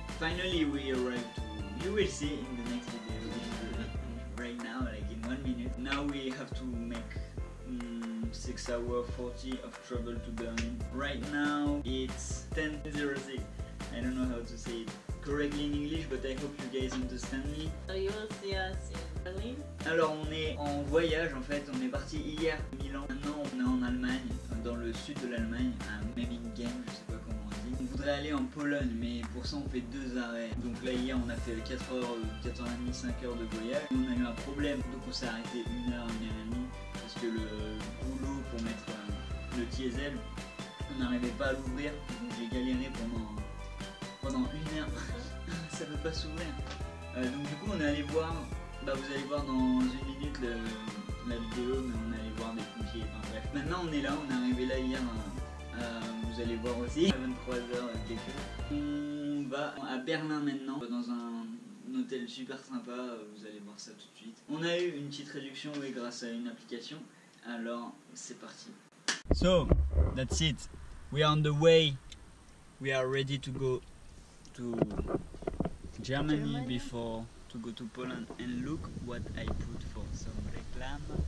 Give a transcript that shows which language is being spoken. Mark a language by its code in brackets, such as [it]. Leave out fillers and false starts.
[en] Finally, we arrived. You will see in the next video. Right now, like in 1 minute. Now we have to make 6 hours 40 of travel to Berlin. Right now it's 10:06. I don't know how to say it correctly in English, but I hope you guys understand me. So you will see us in Berlin. [fr] Alors on est en voyage en fait. On est parti hier à Milan. Maintenant on est en Allemagne, dans le sud de l'Allemagne, à Memmingen. On voudrait aller en Pologne, mais pour ça on fait 2 arrêts. Donc là hier on a fait 4h30, 5h de voyage. On a eu un problème, donc on s'est arrêté 1h30 parce que le rouleau pour mettre le diesel, on n'arrivait pas à l'ouvrir. Donc j'ai galéré pendant 1 heure. Ça peut pas s'ouvrir. Donc du coup on est allé voir, bah vous allez voir dans 1 minute la vidéo, mais on est allé voir des pompiers. Enfin, bref. Maintenant on est là, on est arrivé là hier. Vous allez voir aussi à 23h quelque chose. On va à Berlin maintenant, dans un hôtel super sympa, vous allez voir ça tout de suite. On a eu une petite réduction, oui, grâce à une application. Alors c'est parti. [en] So that's it, we are on the way, we are ready to go to Germany before to go to Poland. And look what I put for some reclame.